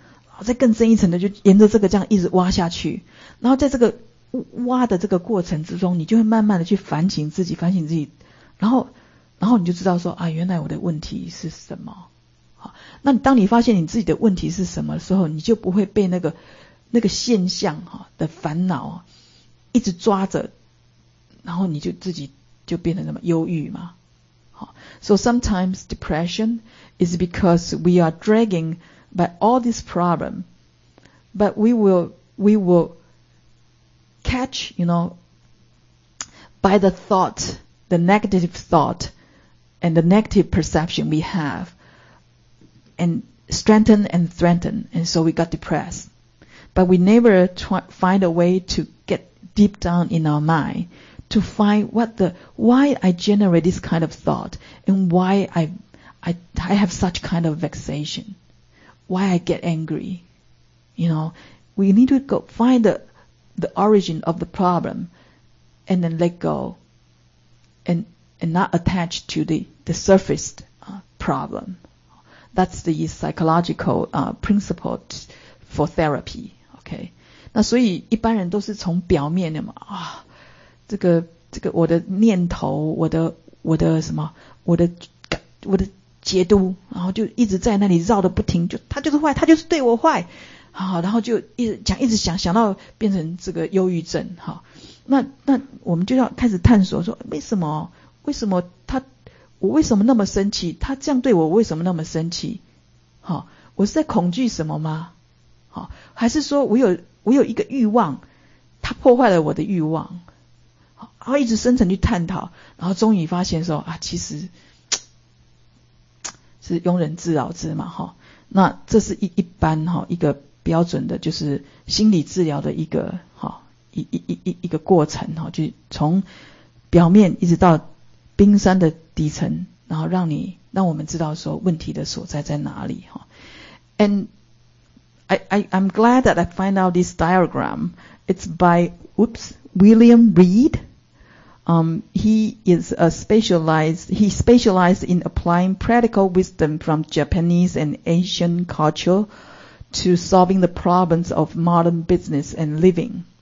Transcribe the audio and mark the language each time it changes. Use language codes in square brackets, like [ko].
[zh] 然后再更深一层的就沿着这个这样一直挖下去。然后在这个挖的这个过程之中，你就会慢慢的去反省自己，然后你就知道说原来我的问题是什么，那当你发现你自己的问题是什么的时候，你就不会被那个现象的烦恼一直抓着，然后你就自己就变得那么忧郁嘛。 [en] So sometimes depression is because we are dragging by all this problem, but we will catch, you know, by the thought, the negative thought and the negative perception we have, and threaten, and so we got depressed. But we never find a way to get deep down in our mind to find why I generate this kind of thought, and why I have such kind of vexation, why I get angry. You know, we need to go find the origin of the problem and then let go and not attach to the surfaced problem. That's the psychological principle for therapy. [zh] Okay, 那所以一般人都是从表面的嘛，这个我的念头，我的什么，我的解读，然后就一直在那里绕得不停，就他就是坏，他就是对我坏，好，然后就一直讲，一直想，想到变成这个忧郁症。好，那我们就要开始探索说，为什么他。我为什么那么生气？他这样对我，我为什么那么生气？好，我是在恐惧什么吗？好，还是说我有一个欲望，他破坏了我的欲望？好，然后一直深层去探讨，然后终于发现说啊，其实是庸人自扰之嘛，哈。那这是一般哈一个标准的，就是心理治疗的一个哈一个过程哈，就从表面一直到冰山的底层，然后让我们知道说问题的所在哪里。 [en] And I'm glad that I find out this diagram. It's by William Reed. He specialized in applying practical wisdom from Japanese and Asian culture to solving the problems of modern business and living.